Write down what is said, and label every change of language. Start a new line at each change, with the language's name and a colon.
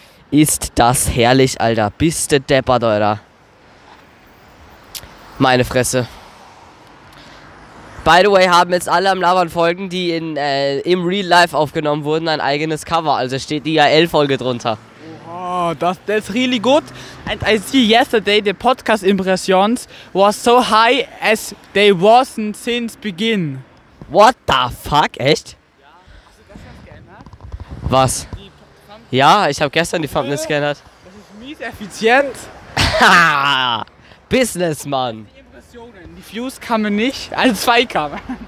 German: Ist das herrlich, Alter. Bist du deppert, Alter. Meine Fresse.
English: By the way,
German: haben jetzt alle am Labern Folgen, die im Real Life aufgenommen wurden, ein eigenes Cover. Also steht die IAL-Folge drunter.
English: Oh, that is really good. And I see yesterday the podcast impressions was so high as they wasn't since begin. What the fuck?
German: Echt? Ja, hast du das geändert? Was? Ja, ich habe gestern die Thumbnails geändert. Das ist mies effizient. Businessmann. Die Impressionen, die Views kamen nicht, also zwei kamen.